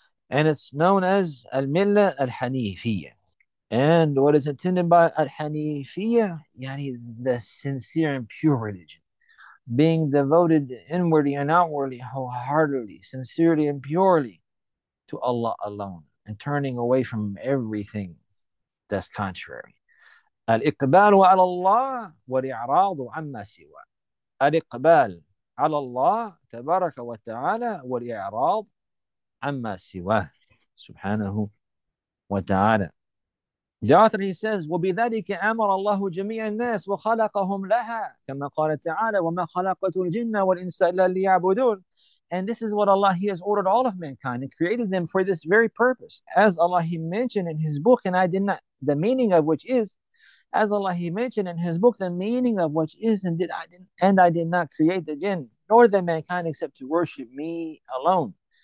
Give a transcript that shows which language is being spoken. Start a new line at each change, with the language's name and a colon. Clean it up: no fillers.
English: And it's known as al-Milla al-Hanifiyya. And what is intended by al-Hanifiyya, yani the sincere and pure religion, being devoted inwardly and outwardly, wholeheartedly, sincerely and purely to Allah alone, and turning away from everything that's contrary.
Arabic: Al-Iqbalu ala Allah wa al-I'radu amma siwa. Al-Iqbal على الله تبارك وتعالى والإعراض عما سواه سبحانه وتعالى.
English: The author, he says,
Arabic: وبذلك أمر الله جميع الناس وخلقهم لها كما قال تعالى وما خلقت الجن والإنس إلا ليعبدون.
English: And this is what Allah, He has ordered all of mankind and created them for this very purpose. As Allah, He mentioned in His book, and I did not, the meaning of which is, As Allah, He mentioned in His book the meaning of which is, indeed, I did not create the jinn nor the mankind except to worship Me alone.